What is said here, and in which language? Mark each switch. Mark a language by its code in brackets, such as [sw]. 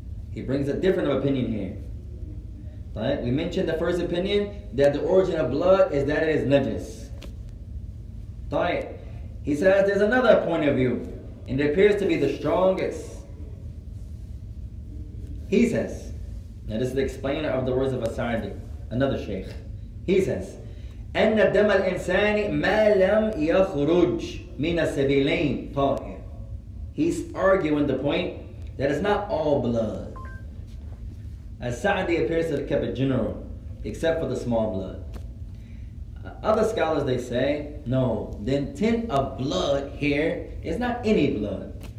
[en] He brings a different opinion here. Right? We mentioned the first opinion, that the origin of blood is that it is najis. Right? He says there's another point of view, and it appears to be the strongest. He says, now this is the explainer of the words of As-Sa'di, another sheikh. [ar] He says, أن الدم الإنساني ما لم يخرج من السبيلين طاهر. [en] He's arguing the point that it's not all blood. As-Sa'di appears to have kept it general, except for the small blood. Other scholars, they say, no, the intent of blood here is not any blood.